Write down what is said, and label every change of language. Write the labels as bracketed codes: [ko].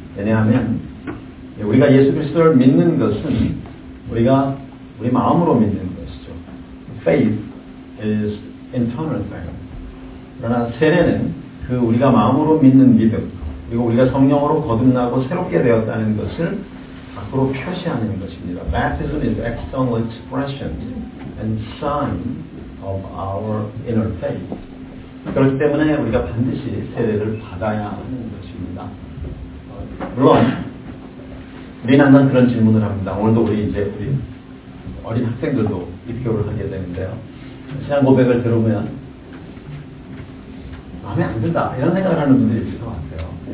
[ko] 왜냐하면 우리가 예수 그리스도를 믿는 것은 우리가 우리 마음으로 믿는 것이죠. [en] Faith is internal thing. [ko] 그러나 세례는 그 우리가 마음으로 믿는 믿음 그리고 우리가 성령으로 거듭나고 새롭게 되었다는 것을 밖으로 표시하는 것입니다. [en] Baptism is external expression and sign of our inner faith. [ko] 그렇기 때문에 우리가 반드시 세례를 받아야 하는 것입니다. 물론 우리는 항상 그런 질문을 합니다. 오늘도 우리 어린 학생들도 입교를 하게 되는데요. 신앙 고백을 들으면 마음에 안 든다 이런 생각을 하는 분들이 있을 것 같아요.